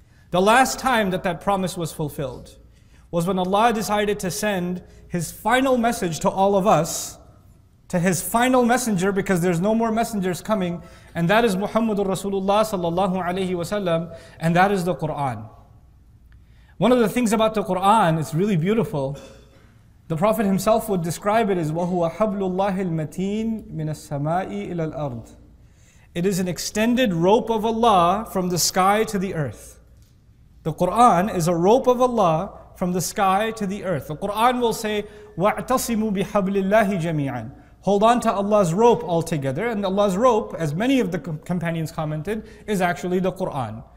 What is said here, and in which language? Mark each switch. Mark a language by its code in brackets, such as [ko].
[en] The last time that that promise was fulfilled was when Allah decided to send His final message to all of us, to His final messenger, because there's no more messengers coming, and that is Muhammadur Rasulullah sallallahu alayhi wasallam, and that is the Qur'an. One of the things about the Qur'an, it's really beautiful, The Prophet himself would describe it as [ar] وَهُوَ حَبْلُ اللَّهِ الْمَتِينِ مِنَ السَّمَاءِ إِلَى الْأَرْضِ. [en] It is an extended rope of Allah from the sky to the earth. The Quran is a rope of Allah from the sky to the earth. The Quran will say, [ar] وَاعْتَصِمُوا بِحَبْلِ اللَّهِ جَمِيعًا. [en] Hold on to Allah's rope altogether. And Allah's rope, as many of the companions commented, is actually the Quran.